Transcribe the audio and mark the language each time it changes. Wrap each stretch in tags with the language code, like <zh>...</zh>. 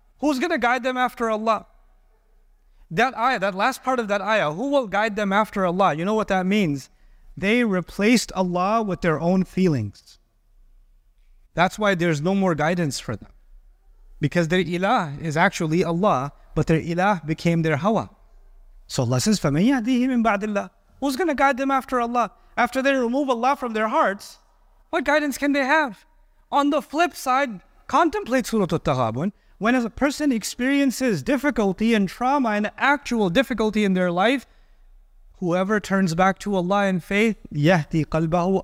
<en>Who's going to guide them after Allah? That ayah, that last part of that ayah, who will guide them after Allah? You know what that means? They replaced Allah with their own feelings. That's why there's no more guidance for them. Because their ilah is actually Allah, but their ilah became their hawa. So Allah says,</en> <ar>فَمَنْ يَهْدِيهِ مِنْ بَعْدِ اللَّهِ.</ar> <en>Who's going to guide them after Allah? After they remove Allah from their hearts, what guidance can they have? On the flip side, contemplate Surah At-Taghabun. When a person experiences difficulty and trauma and actual difficulty in their life, whoever turns back to Allah in faith,</en> <ar>يَهْدِي قَلْبَهُ.</ar>